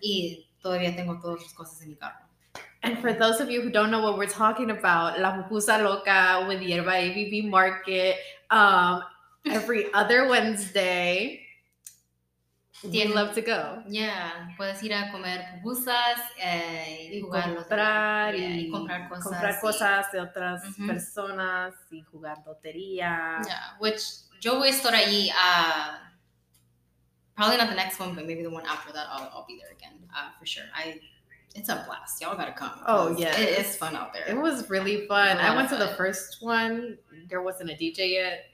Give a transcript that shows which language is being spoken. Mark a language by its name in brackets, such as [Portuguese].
[Spanish] Y todavía tengo todas las cosas en mi carro. [English] And for those of you who don't know what we're talking about, La Pupusa Loca with Yerba ABB Market, every other Wednesday, we'd love to go. [Spanish] Yeah, puedes ir a comer pupusas y comprar cosas de otras mm-hmm. personas y jugar lotería. [English] Yeah, which [Spanish] yo voy a estar ahí, [English] probably not the next one, but maybe the one after that, I'll be there again, for sure. It's a blast. Y'all gotta come. Oh, yeah. It's fun out there. It was really fun. I went to the first one. There wasn't a DJ yet.